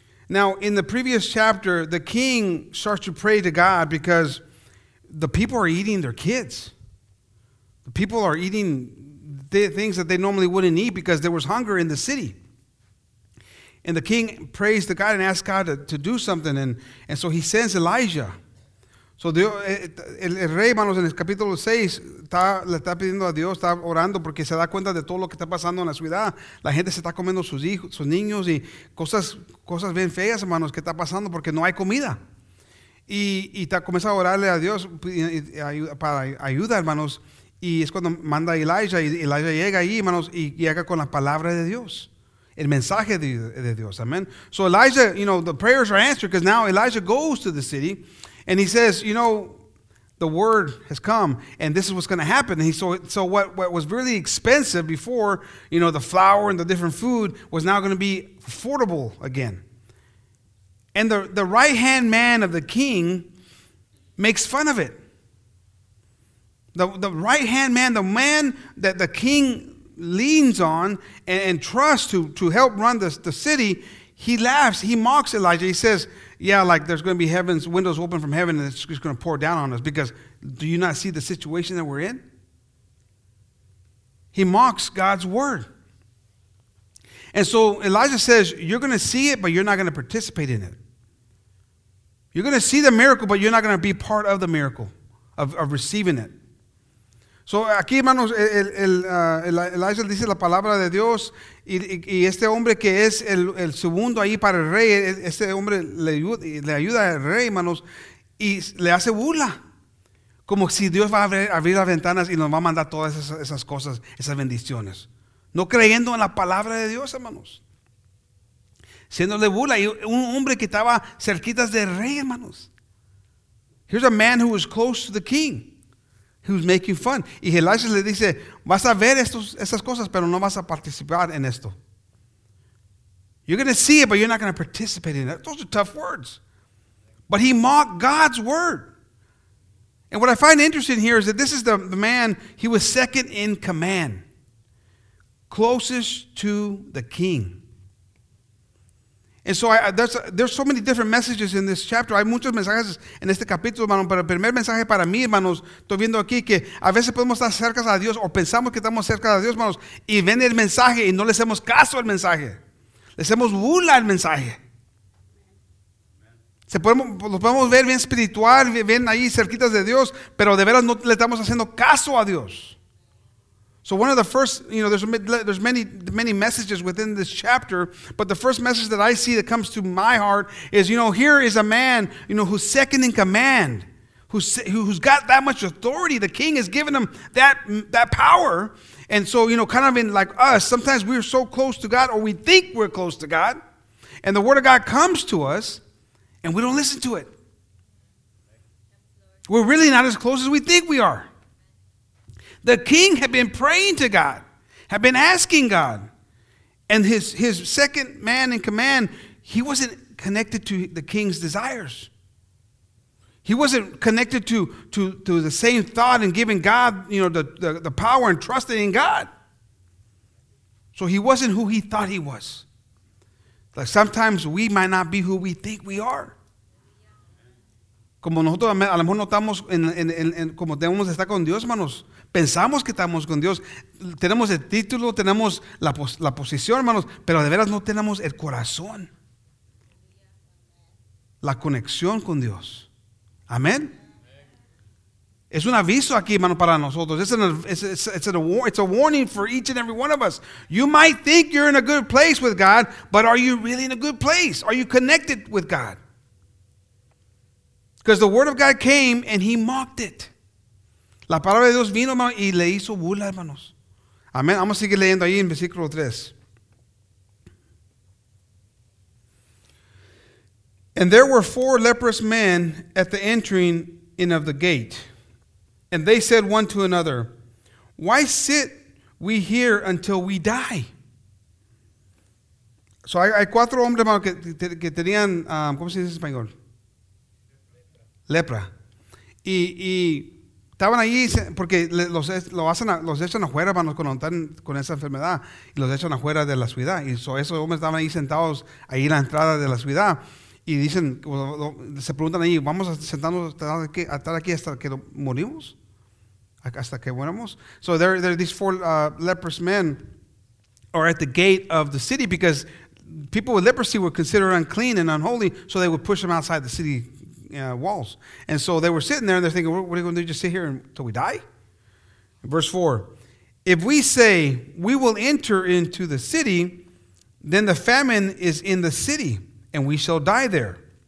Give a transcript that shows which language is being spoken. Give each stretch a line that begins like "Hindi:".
English: Now, in the previous chapter, the king starts to pray to God because the people are eating their kids. The people are eating things that they normally wouldn't eat because there was hunger in the city. And the king prays to God and asks God to do something. And so he sends Elijah.
Spanish: So el rey, hermanos, en el capítulo 6, le está pidiendo a Dios, está orando porque se da cuenta de todo lo que está pasando en la ciudad. La gente se está comiendo sus hijos, sus niños y cosas bien feas, hermanos, que está pasando porque no hay comida. Y comienza a orarle a Dios para ayuda, hermanos. Y es cuando manda a Elijah, y Elijah llega ahí, hermanos, y llega con la palabra de Dios. El mensaje de Dios, amen.
English: So Elijah, you know, the prayers are answered because now Elijah goes to the city and he says, you know, the word has come and this is what's going to happen. And so what was really expensive before, you know, the flour and the different food was now going to be affordable again. And the right-hand man of the king makes fun of it. The right-hand man, the man that the king leans on and trusts to help run the city, he laughs, he mocks Elijah. He says, yeah, like there's going to be heaven's windows open from heaven and it's just going to pour down on us because do you not see the situation that we're in? He mocks God's word. And so Elijah says, you're going to see it, but you're not going to participate in it. You're going to see the miracle, but you're not going to be part of the miracle of receiving it.
Spanish: So aquí, hermanos, Elijah dice la palabra de Dios y este hombre que es el segundo ahí para el rey, este hombre le ayuda al rey, hermanos, y le hace burla. Como si Dios va a abrir las ventanas y nos va a mandar todas esas cosas, esas bendiciones. No creyendo en la palabra de Dios, hermanos. Siéndole burla. Y un hombre que estaba cerquita del rey, hermanos.
English: Here's a man who was close to the king. He was making fun.
Spanish: Y Elijah le dice, vas a ver esas cosas, pero no vas a participar en esto.
English: You're going to see it, but you're not going to participate in it. Those are tough words. But he mocked God's word. And what I find interesting here is that this is the man, he was second in command. Closest to the king. And so there's so many different messages in this chapter.
Spanish: Hay muchos mensajes en este capítulo, hermanos. Pero el primer mensaje para mí, hermanos, estoy viendo aquí que a veces podemos estar cerca a Dios o pensamos que estamos cerca de Dios, hermanos, y ven el mensaje y no le hacemos caso al mensaje. Le hacemos burla al mensaje. Lo podemos ver bien espiritual, bien ahí cerquitas de Dios, pero de veras no le estamos haciendo caso a Dios.
English: So one of the first, you know, there's many, many messages within this chapter, but the first message that I see that comes to my heart is, you know, here is a man, you know, who's second in command, who's got that much authority. The king has given him that power. And so, you know, kind of in like us, sometimes we're so close to God or we think we're close to God and the word of God comes to us and we don't listen to it. We're really not as close as we think we are. The king had been praying to God, had been asking God, and his second man in command, he wasn't connected to the king's desires. He wasn't connected to the same thought and giving God, you know, the power and trusting in God. So he wasn't who he thought he was. Like sometimes we might not be who we think we are.
Spanish: Como nosotros a lo mejor no estamos en como debemos estar con Dios, hermanos. Pensamos que estamos con Dios. Tenemos el título, tenemos la posición, hermanos, pero de veras no tenemos el corazón. La conexión con Dios. Amén. Es un aviso aquí, hermano, para nosotros.
English: It's a warning for each and every one of us. You might think you're in a good place with God, but are you really in a good place? Are you connected with God? Because the Word of God came and He mocked it.
Spanish: La palabra de Dios vino, hermano, y le hizo burla, hermanos. Amén. Vamos a seguir leyendo ahí en versículo 3.
English: And there were four leprous men at the entering in of the gate. And they said one to another, why sit we here until we die?
Spanish: So hay cuatro hombres que tenían, ¿cómo se dice en español? Lepra. Y estaban ahí porque los echan afuera, hermanos, cuando están con esa enfermedad. Y los echan afuera de la ciudad. Y esos hombres estaban ahí sentados ahí en la entrada de la ciudad. Y dicen, se preguntan ahí, ¿vamos a sentarnos a estar aquí hasta que morimos? Hasta que muéramos.
English: So there are these four leprous men are at the gate of the city because people with leprosy were considered unclean and unholy, so they would push them outside the city walls. And so they were sitting there and they're thinking, what are we going to do, just sit here until we die? Verse 4, if we say we will enter into the city, then the famine is in the city and we shall die there.